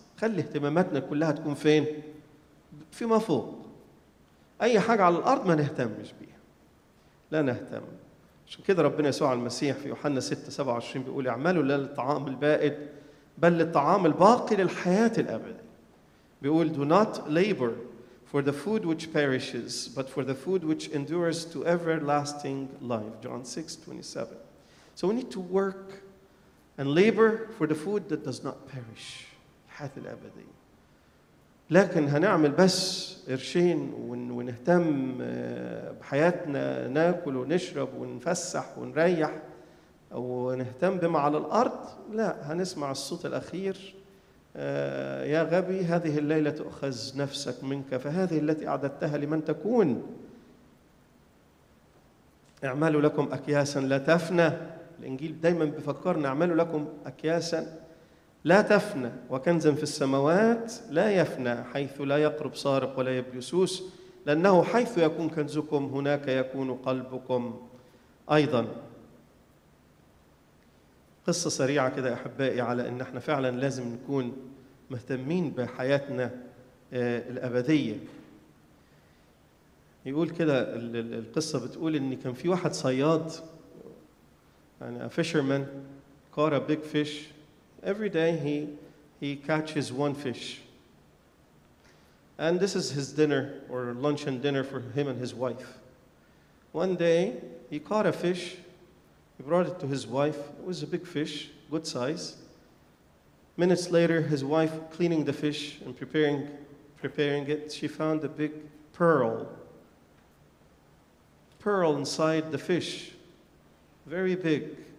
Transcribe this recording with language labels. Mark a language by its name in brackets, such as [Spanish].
[Arabic] خلي اهتماماتنا كلها تكون فين؟ فيما فوق. أي حاجة على الأرض ما نهتمش بيها، لا نهتم. عشان كده ربنا يسوع المسيح في يوحنا 6:27 بيقول اعملوا لا للطعام البائد بل للطعام الباقي للحياة الأبدية. بيقول [English] do not labor for the food which perishes but for the food which endures to everlasting life. John 6:27. So we need to work and labor for the food that does not perish. [Arabic] الحياة الأبدية. لكن هنعمل بس قرشين ونهتم بحياتنا، ناكل ونشرب ونفسح ونريح ونهتم بما على الأرض؟ لا، هنسمع الصوت الأخير، يا غبي هذه الليلة تؤخذ نفسك منك، فهذه التي أعددتها لمن تكون؟ اعملوا لكم أكياسا لا تفنى. الإنجيل دايما بفكرنا اعملوا لكم أكياسا لا تفنى وكنزا في السماوات لا يفنى حيث لا يقرب سارق ولا يبلسوس لأنه حيث يكون كنزكم هناك يكون قلبكم أيضا. قصة سريعة كده أحبائي على أن احنا فعلا لازم نكون مهتمين بحياتنا الأبدية. يقول كده القصة بتقول أن كان في واحد صياد, يعني [English] a fisherman caught a big fish. Every day he catches one fish. And this is his dinner or lunch and dinner for him and his wife. One day he caught a fish. He brought it to his wife. It was a big fish, good size. Minutes later, his wife cleaning the fish and preparing it, she found a big pearl inside the fish, very big.